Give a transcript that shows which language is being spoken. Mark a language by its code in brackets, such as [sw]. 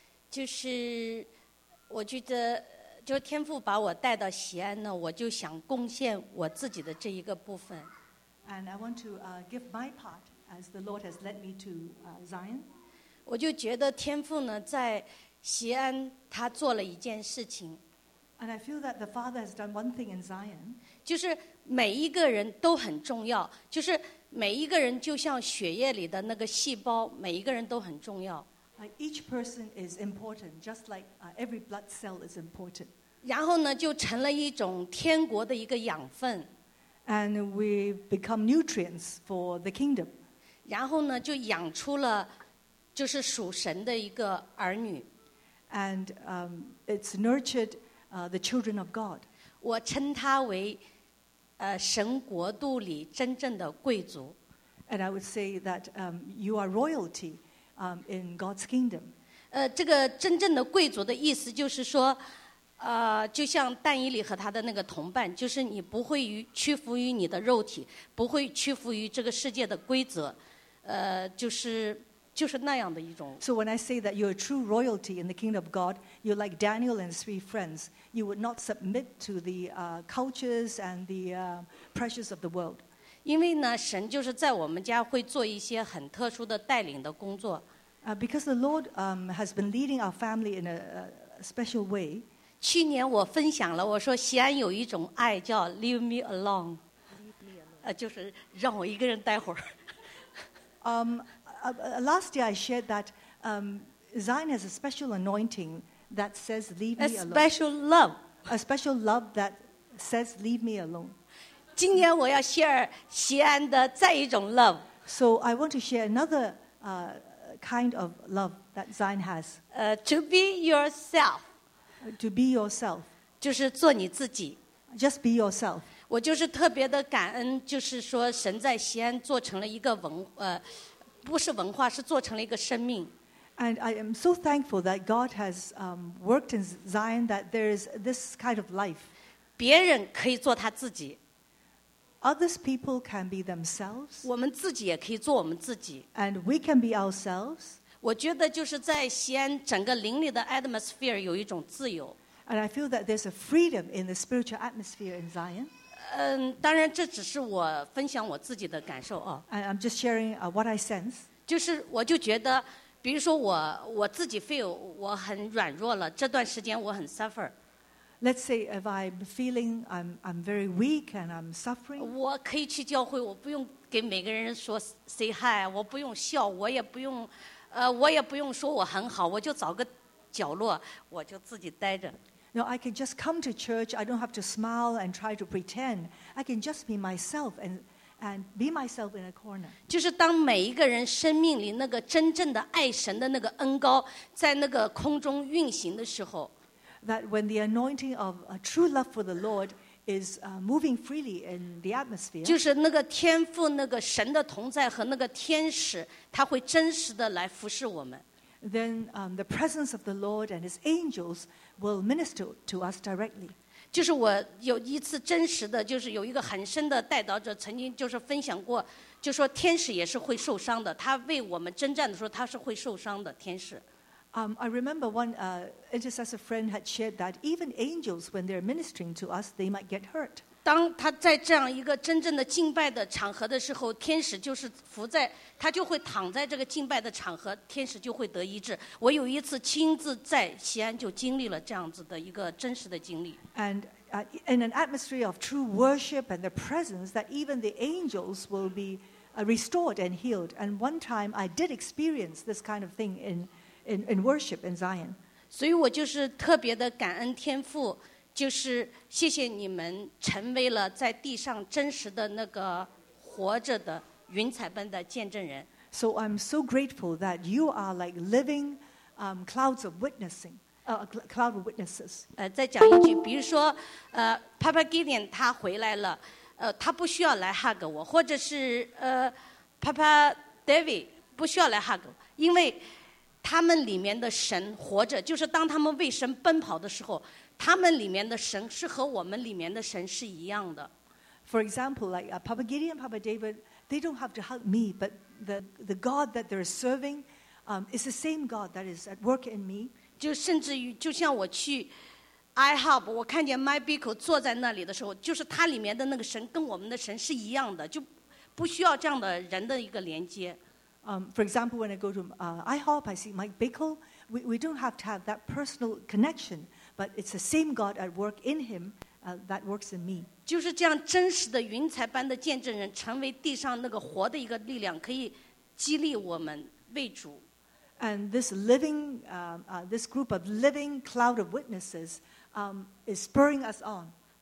[zh] 就是我觉得天父把我带到西安呢,我就想贡献我自己的这一个部分. [en] And I want to give my part. As the Lord has led me to Zion. [zh] 我就觉得天父呢, 在西安, 他做了一件事情, [en] and I feel that the Father has done one thing in Zion. [zh] 就是每一个人都很重要, 就是每一个人就像血液里的那个细胞, 每一个人都很重要。 [en] Each person is important, just like every blood cell is important. [zh] 然后呢, 就成了一种天国的一个养分。 [en] And we become nutrients for the kingdom. [zh] 然后呢, 就养出了就是属神的一个儿女。 [en] And it's nurtured the children of God. [zh] 我称他为 神国度里真正的贵族。 [en] And I would say that you are royalty in God's kingdom. [zh] 这个真正的贵族的意思就是说 就像但以理和他的那个同伴, 就是你不会屈服于你的肉体, 不会屈服于这个世界的规则。 [en] So when I say that you're a true royalty in the kingdom of God, you're like Daniel and his three friends. You would not submit to the cultures and the pressures of the world. [zh] 因为呢,神就是在我们家会做一些很特殊的带领的工作。 [en] Because the Lord has been leading our family in a special way. [zh] 去年我分享了,我说西安有一种爱叫 [en] Leave Me Alone. Last year I shared that Zion has a special anointing that says leave me alone. A special love. A special love that says leave me alone. [zh] 今天我要 [en] share [zh] 西安的再一种 [en] love. So I want to share another kind of love that Zion has. To be yourself. To be yourself. [zh] 就是做你自己. [en] Just be yourself. [zh] 我就是特别的感恩，就是说神在西安做成了一个文，不是文化，是做成了一个生命. [en] And I am so thankful that God has worked in Zion that there is this kind of life. [zh] 别人可以做他自己. [en] Others people can be themselves. [zh] 我们自己也可以做我们自己. [en] And we can be ourselves. [zh] 我觉得就是在西安整个灵里的 [en] atmosphere [zh] 有一种自由. [en] And I feel that there's a freedom in the spiritual atmosphere in Zion. [zh] 当然这只是我分享我自己的感受哦. [en] And I'm just sharing what I sense. [zh] 就是我就觉得，比如说我自己 [en] feel [zh] 我很软弱了，这段时间我很 [en] suffer. Let's say if I'm feeling I'm very weak and I'm suffering. 我可以去教会，我不用给每个人说 say hi，我不用笑，我也不用说我很好，我就找个角落，我就自己待着。 No, I can just come to church. I don't have to smile and try to pretend. I can just be myself and be myself in a corner. [zh] 就是当每一个人生命里那个真正的爱神的那个恩膏在那个空中运行的时候, [en] that when the anointing of a true love for the Lord is moving freely in the atmosphere, [zh] 就是那个天父那个神的同在和那个天使他会真实的来服侍我们, [en] then the presence of the Lord and His angels will minister to us directly. [zh] 就是我有一次真实的，就是有一个很深的带导者曾经就是分享过，就说天使也是会受伤的。他为我们征战的时候，他是会受伤的天使。 [en] I remember one intercessor friend had shared that even angels, when they're ministering to us, they might get hurt. [zh] 当他在这样一个真正的敬拜的场合的时候，天使就是伏在，他就会躺在这个敬拜的场合，天使就会得医治。我有一次亲自在西安就经历了这样子的一个真实的经历。 [en] And in an atmosphere of true worship and the presence, that even the angels will be restored and healed. And one time I did experience this kind of thing in worship in Zion. [zh] 所以我就是特别的感恩天父。就是谢谢你们成为了在地上真实的那个活着的云彩般的见证人。 [en] So I'm so grateful that you are like living clouds of witnessing, cloud of witnesses. [zh] 再讲一句，比如说，Papa Gideon 他回来了，他不需要来 [en] hug [zh] 我，或者是Papa David 不需要来 hug 我，因为他们里面的神活着，就是当他们为神奔跑的时候。 [en] For example, like Papa Gideon, Papa David, they don't have to hug me, but the God that they're serving is the same God that is at work in me. [zh] 就甚至于就像我去 IHOP, 我看见 Mike Bickle 坐在那里的时候，就是他里面的那个神跟我们的神是一样的，就不需要这样的人的一个连接。 [en] For example, when I go to IHOP, I see Mike Bickle, we don't have to have that personal connection. But it's the same God at work in him that works in me. [zh] 就是这样真实的云彩般的见证人成为地上那个活的一个力量可以激励我们为主。 [en] And this living, this group of living cloud of witnesses is spurring us on.